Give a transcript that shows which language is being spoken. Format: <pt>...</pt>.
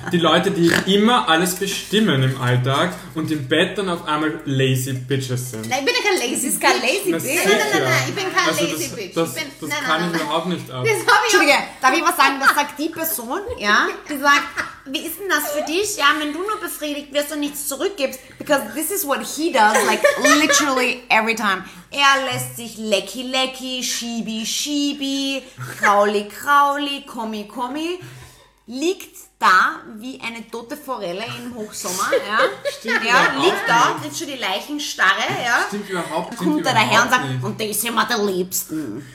<de>Die Leute, die immer alles bestimmen im Alltag und im Bett dann auf einmal Lazy Bitches sind. Nein, ich bin ja kein Lazy, ist kein Lazy Bitch. Nein, ich bin kein Lazy Bitch. Das kann ich überhaupt nicht ab. Entschuldige, darf ich was sagen? Was sagt die Person, ja, die sagt, wie ist denn das für dich? Ja, wenn du nur befriedigt wirst und nichts zurückgibst,</de> <en>Because this is what he does, like, literally every time.</en> <de>Er lässt sich lecky lecky, schiebi schiebi, krauli krauli, kommi kommi. Liegt da wie eine tote Forelle im Hochsommer. Ja, stimmt. Ja, liegt da, jetzt schon die Leichenstarre. Ja. Stimmt überhaupt nicht. Kommt er daher und sagt, nicht. Und das sind wir der Liebsten.</de>